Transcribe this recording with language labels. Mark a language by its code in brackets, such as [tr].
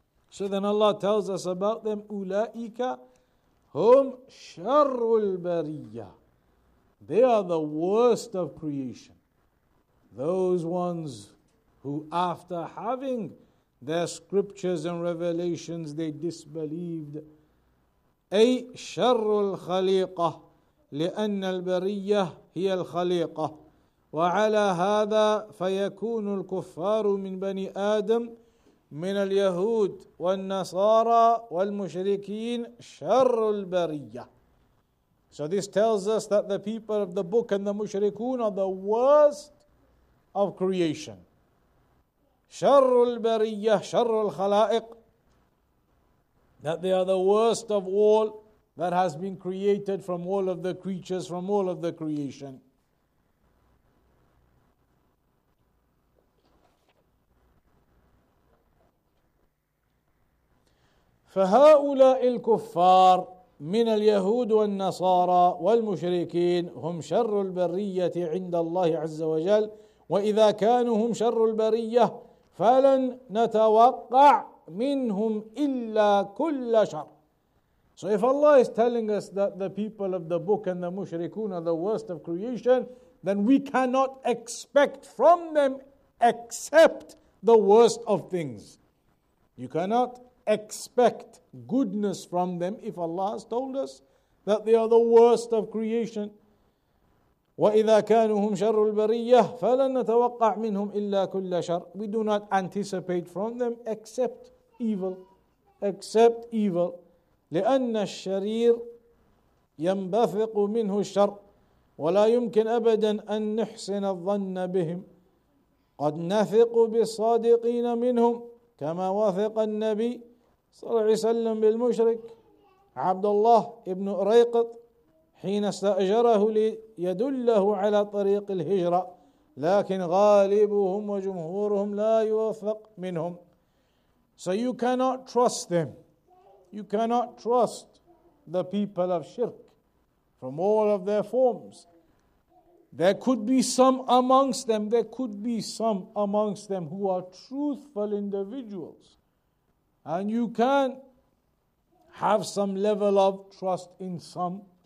[en] So then Allah tells us about them, [ar] أُولَٰئِكَ هُمْ شَرُّ الْبَرِيَّةِ. [en] They are the worst of creation. Those ones who, after having their scriptures and revelations, they disbelieved. [ar] أَيْ شَرُّ الْخَلِيقَةِ لِأَنَّ الْبَرِيَّةِ هِيَ الْخَلِيقَةِ وَعَلَىٰ هَذَا فَيَكُونُ الْكُفَّارُ مِنْ بَنِي آدَمُ من اليهود والنصارى والمشركين شر البرية. [en] So this tells us that the people of the book and the mushrikun are the worst of creation. [ar] شر البرية, شر الخلائق, [en] that they are the worst of all that has been created from all of the creatures, from all of the creation. [ar] فهؤلاء الكفار من اليهود والنصارى والمشركين هم شر البرية عند الله عز وجل وإذا كانوا هم شر البرية فلن نتوقع منهم إلا كل شر. [en] So if Allah is telling us that the people of the book and the mushrikun are the worst of creation, then we cannot expect from them except the worst of things. You cannot expect goodness from them if Allah has told us that they are the worst of creation. [ar] وَإِذَا كَانُهُمْ شَرُّ الْبَرِيَّةِ فَلَن نَتَوَقَّعْ مِنْهُمْ إِلَّا كُلَّ شَرٍ. [en] We do not anticipate from them except evil. Except evil. [ar] لِأَنَّ الشَّرِيرِ يَنْبَثِقُ مِنْهُ الشَّرِ وَلَا يُمْكِنْ أَبَدًا أَنْ نُحْسِنَ الظَّنَّ بِهِمْ قَدْ نَثِقُ بِالصَّادِقِينَ مِنْهُمْ كَمَا وَثِقَ النَّبِيُّ صلى الله عليه وسلم بالمشرك عبد الله ابن أريقط حين استأجره ليدله على طريق الهجرة لكن غالبهم وجمهورهم لا يوفق منهم. [en] So you cannot trust them. You cannot trust the people of shirk from all of their forms. There could be some amongst them. There could be some amongst them who are truthful individuals. And you can have some level of trust in some.